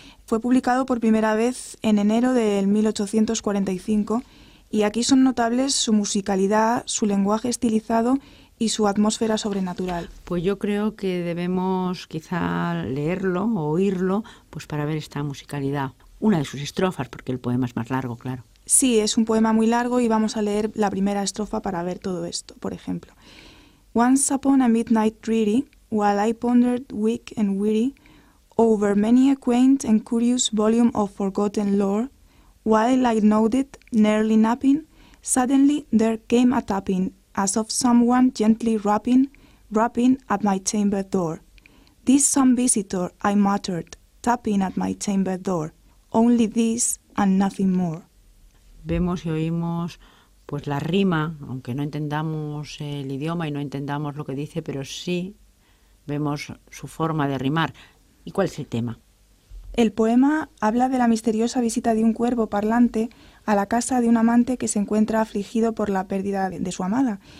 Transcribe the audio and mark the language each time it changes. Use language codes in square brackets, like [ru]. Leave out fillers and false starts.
[es] Fue publicado por primera vez en enero de 1845 y aquí son notables su musicalidad, su lenguaje estilizado y su atmósfera sobrenatural. Pues yo creo que debemos quizá leerlo o oírlo, pues para ver esta musicalidad. Una de sus estrofas, porque el poema es más largo, claro. Sí, es un poema muy largo y vamos a leer la primera estrofa para ver todo esto, por ejemplo. [en] Once upon a midnight dreary, while I pondered weak and weary, over many a quaint and curious volume of forgotten lore, while I nodded, nearly napping, suddenly there came a tapping, as of someone gently rapping, rapping at my chamber door. This some visitor, I muttered, tapping at my chamber door. Only this and nothing more. [es] Vemos y oímos pues la rima, aunque no entendamos el idioma y no entendamos lo que dice, pero sí vemos su forma de rimar. ¿Y cuál es el tema? El poema habla de la misteriosa visita de un cuervo parlante a la casa de un amante que se encuentra afligido por la pérdida de su amada.